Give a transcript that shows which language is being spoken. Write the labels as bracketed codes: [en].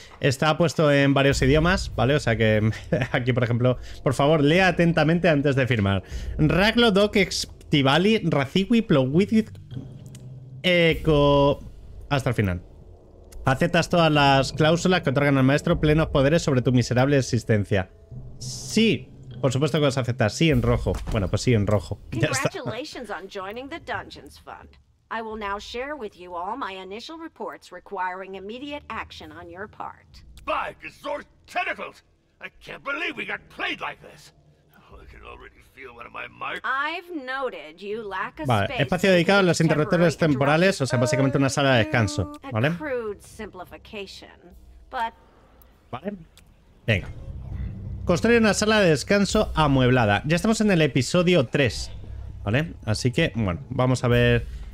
[es] Está puesto en varios idiomas, ¿vale? O sea que aquí, por ejemplo, por favor, lea atentamente antes de firmar. Raglo Doc Extivali Raziwi Plowidic Eco. Hasta el final. Aceptas todas las cláusulas que otorgan al maestro plenos poderes sobre tu miserable existencia. Sí. Por supuesto que vas a aceptar. Sí, en rojo. Bueno, pues sí, en rojo. [en] Congratulations on joining the Dungeons Fund. I will now share with you all my initial reports requiring immediate action on your part. By Gazor's tentacles! I can't believe we got played like this. I can already feel one of my marks. I've noted you lack a space. [es] Vale, espacio dedicado a los interruptores temporales, o sea, básicamente una sala de descanso, ¿vale? [en] Crude simplification, but... [es] Vale. Venga. Construir una sala de descanso amueblada. Ya estamos en el episodio 3, ¿vale? Así que, bueno, vamos a ver.